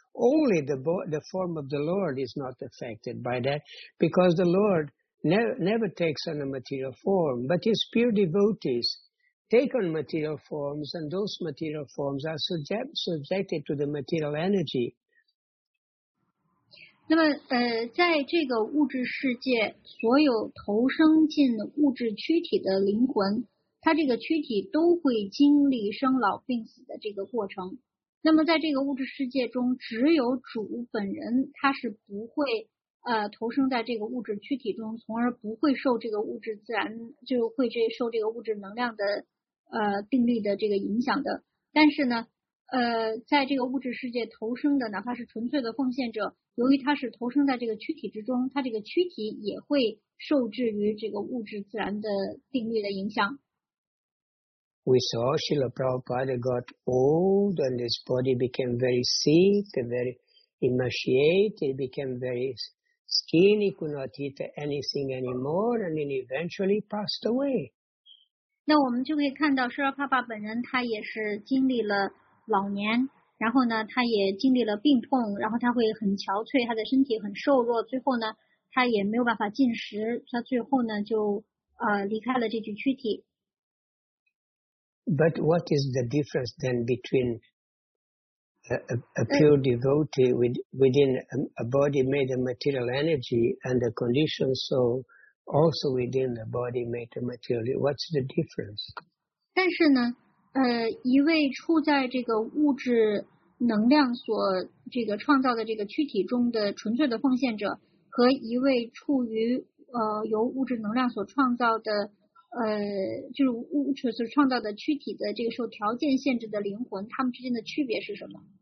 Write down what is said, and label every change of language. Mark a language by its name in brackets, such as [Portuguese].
[English] Only the form of the Lord is not affected by that, because the Lord never takes on a material form. But his pure devotees take on material forms, and those material forms are subjected to the material energy. [Chinese] 那么，在这个物质世界，所有投生进物质躯体的灵魂，它这个躯体都会经历生老病死的这个过程。那么，在这个物质世界中，只有主本人，他是不会投生在这个物质躯体中，从而不会受这个物质自然就会这受这个物质能量的定律的这个影响的。但是呢，在这个物质世界投生的，哪怕是纯粹的奉献者。由于他是投生在这个躯体之中，他这个躯体也会受制于这个物质自然的定律的影响。 [English] We saw Srila Prabhupada got old and his body became very sick, very emaciated, became very skinny, could not eat anything anymore, and then eventually passed away. [Chinese] 那我们就可以看到，Srila Prabhupada本人他也是经历了老年。然后呢，他也经历了病痛，然后他会很憔悴，他的身体很瘦弱，最后呢，他也没有办法进食，他最后呢就离开了这具躯体。 [English] But what is the difference then between a pure devotee within a body made of material energy and a conditioned soul also within a body made of material? What's the difference? [Chinese] 但是呢，一位处在这个物质能量所这个创造的这个躯体中的纯粹的奉献者，和一位处于由物质能量所创造的就是物质所创造的躯体的这个受条件限制的灵魂，他们之间的区别是什么？